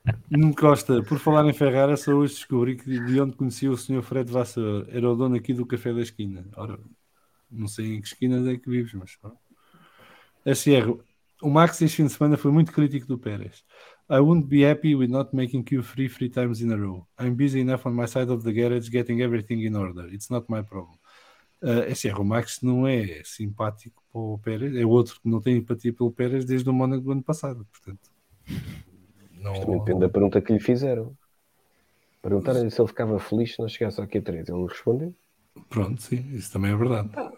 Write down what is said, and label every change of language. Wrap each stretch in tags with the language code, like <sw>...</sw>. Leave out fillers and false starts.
<pt>Nuno Costa, por falar em Ferrari, só hoje descobri que de onde conhecia o senhor Fred Vassar. Era o dono aqui do Café da Esquina. Ora... Não sei em que esquinas é que vives, mas SR, o Max este fim de semana foi muito crítico do Pérez.</pt> <en>I wouldn't be happy with not making Q3 three times in a row. I'm busy enough on my side of the garage getting everything in order. It's not my problem.</en> <pt>SR, o Max não é simpático para o Pérez, é outro que não tem empatia pelo Pérez desde o Mónaco do ano passado. Portanto, não... Isto também depende da pergunta que lhe fizeram. Perguntaram-lhe se ele ficava feliz se não chegasse ao Q3. Ele respondeu. Pronto, sim, isso também é verdade.</pt>